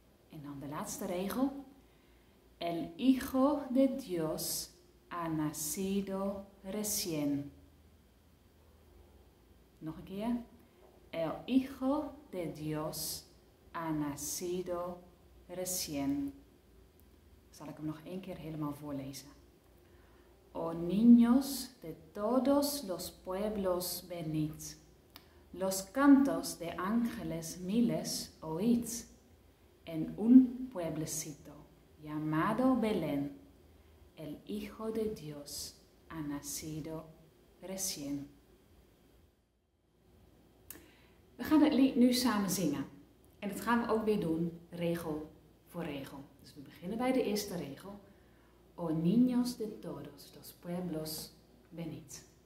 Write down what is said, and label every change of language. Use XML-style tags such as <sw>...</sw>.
<nl>En dan de laatste regel.</nl> <es>El Hijo de Dios ha nacido recién.</es> <nl>Nog een keer.</nl> <es>El Hijo de Dios ha nacido recién.</es> <nl>Zal ik hem nog één keer helemaal voorlezen.</nl> <es>O niños de todos los pueblos, venid. Los cantos de ángeles miles oíd. En un pueblecito llamado Belén. El Hijo de Dios ha nacido recién.</es> <nl>We gaan het lied nu samen zingen. En dat gaan we ook weer doen, regel voor regel. Dus we beginnen bij de eerste regel.</nl> <es>O niños de todos los pueblos, venid.</es>